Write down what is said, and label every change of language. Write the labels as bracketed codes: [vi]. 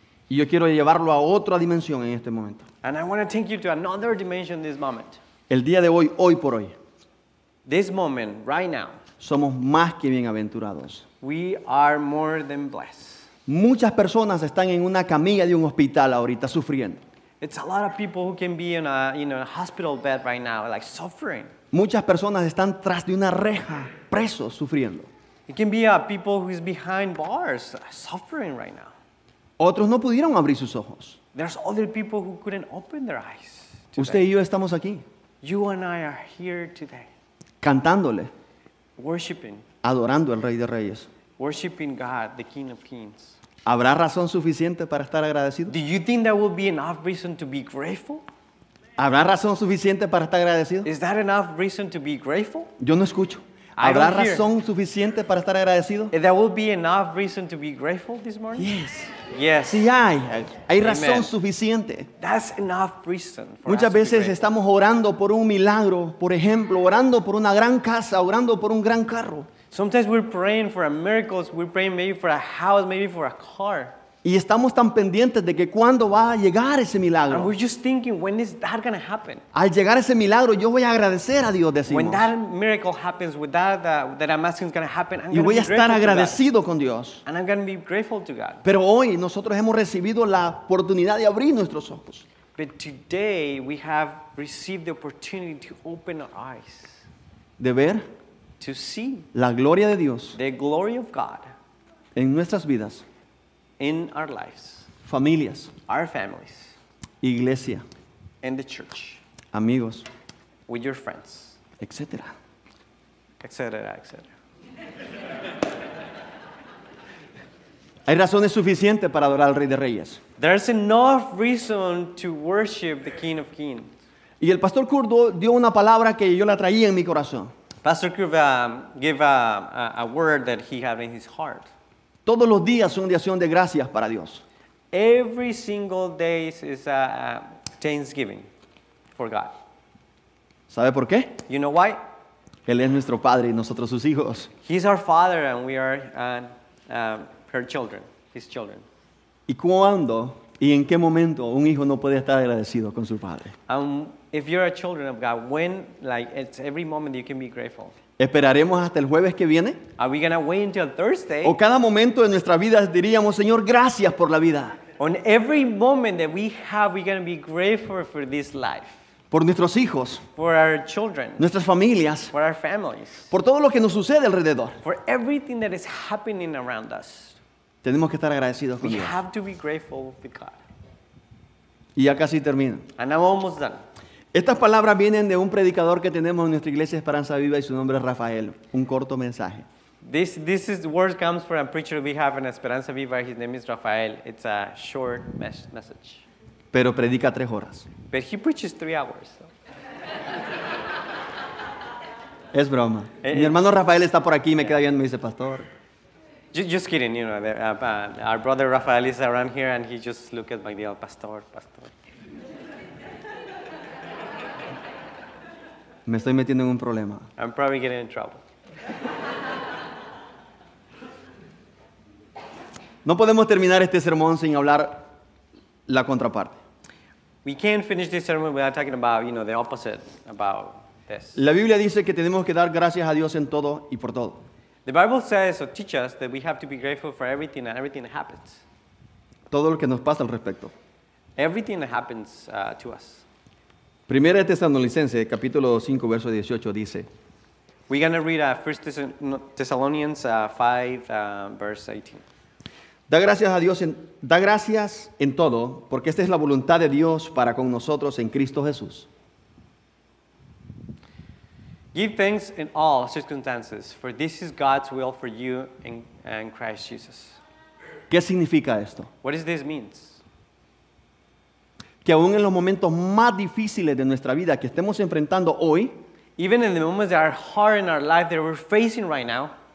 [es] Y yo quiero llevarlo a otra dimensión en este momento. [en] And I want to take you to another dimension this moment. [es] El día de hoy, hoy por hoy. [en] This moment, right now. [es] Somos más que bienaventurados. [en] We are more than blessed. [es] Muchas personas están en una camilla de un hospital ahorita sufriendo. [en] It's a lot of people who can be in a, you know, a hospital bed right now, like suffering. [es] Muchas personas están tras de una reja, presos, sufriendo. [en] It can be a people who is behind bars, suffering right now. [es] Otros no pudieron abrir sus ojos. [en] There's other people who couldn't open their eyes today. [es] Usted y yo estamos aquí. [en] You and I are here today. [es] Cantándole. [en] Worshiping. [es] Adorando al Rey de Reyes. [en] Worshiping God, the King of Kings. [es] ¿Habrá razón suficiente para estar agradecido? [en] Do you think there will be enough reason to be grateful? [es] ¿Habrá razón suficiente para estar agradecido? [en] Is that enough reason to be grateful? [es] Yo no escucho. ¿Habrá razón suficiente para estar agradecido? [en] If there will be enough reason to be grateful this morning? Yes. Yes. [es] Sí hay. Hay razón suficiente. [en] That's enough reason for [es] Muchas veces estamos orando por un milagro, por ejemplo, orando por una gran casa, orando por un gran carro. [en] Sometimes we're praying for a miracle, we're praying maybe for a house, maybe for a car. [es] Y estamos tan pendientes de que cuándo va a llegar ese milagro. [en] And we're just thinking, when is that going to happen? [es] Al llegar ese milagro, yo voy a agradecer a Dios, decimos. [en] When that miracle happens, with that I'm asking is going to happen, I'm going to be grateful. [es] Y voy a estar agradecido con Dios. [en] And I'm going to be grateful to God. [es] Pero hoy nosotros hemos recibido la oportunidad de abrir nuestros ojos. [en] But today we have received the opportunity to open our eyes. [es] De ver. [en] To see [es] la gloria de Dios, [en] the glory of God [es] en nuestras vidas, [en] in our lives, [es] familias, [en] our families, [es] iglesia, [en] and the church, [es] amigos, [en] with your friends, [es] etc. [en] etc. etc. [es] Hay razones suficientes para adorar al Rey de Reyes. [en] There's enough reason to worship the King of Kings. [es] Y el pastor Kurt dio una palabra que yo la traía en mi corazón. [en] Pastor Kurt gave a word that he had in his heart. [es] Todos los días son de acción de gracias para Dios. [en] Every single day is a thanksgiving for God. [es] ¿Sabe por qué? [en] You know why? [es] Él es nuestro padre y nosotros sus hijos. [en] He's our father and we are her children, his children. [es] ¿Y cuándo y en qué momento un hijo no puede estar agradecido con su padre? [en] If you're a children of God, when, like, it's every moment you can be grateful. [es] ¿Esperaremos hasta el jueves que viene? [en] Are we going to wait until Thursday? [es] ¿O cada momento de nuestra vida diríamos, Señor, gracias por la vida? [en] On every moment that we have, we're going to be grateful for this life. [es] Por nuestros hijos. [en] For our children. [es] Nuestras familias. [en] For our families. [es] Por todo lo que nos sucede alrededor. [en] For everything that is happening around us. [es] Tenemos que estar agradecidos con Dios. [en] We have to be grateful with God. [es] Y ya casi termino. [en] And I'm almost done. [es] Estas palabras vienen de un predicador que tenemos en nuestra iglesia Esperanza Viva y su nombre es Rafael. Un corto mensaje. [en] This is word comes from a preacher we have in Esperanza Viva. His name is Rafael. It's a short message. [es] Pero predica 3 horas. [en] But he preaches 3 hours. So. [es] Es broma. Mi hermano Rafael está por aquí y me queda viendo y me dice, pastor. [en] Just kidding, you know. Our brother Rafael is around here and he just looked at Magdiel, pastor. [es] Me estoy metiendo en un problema. [en] I'm probably getting in trouble. [es] No podemos terminar este sermón sin hablar la contraparte. [en] We can't finish this sermon without talking about, you know, the opposite about this. [es] La Biblia dice que tenemos que dar gracias a Dios en todo y por todo. [en] The Bible says or teaches us that we have to be grateful for everything and everything that happens. [es] Todo lo que nos pasa al respecto. [en] Everything that happens to us. [es] Primera de Tesalonicenses, capítulo 5, verso 18, dice. [en] We're going to read 1 Thessalonians 5, verse 18. [es] Da gracias a Dios en todo, porque esta es la voluntad de Dios para con nosotros en Cristo Jesús. [en] Give thanks in all circumstances, for this is God's will for you in Christ Jesus. [es] ¿Qué significa esto? [en] What does this mean? [es] Que aún en los momentos más difíciles de nuestra vida que estemos enfrentando hoy, [en] even in the moments that are hard in our life that we're facing right now,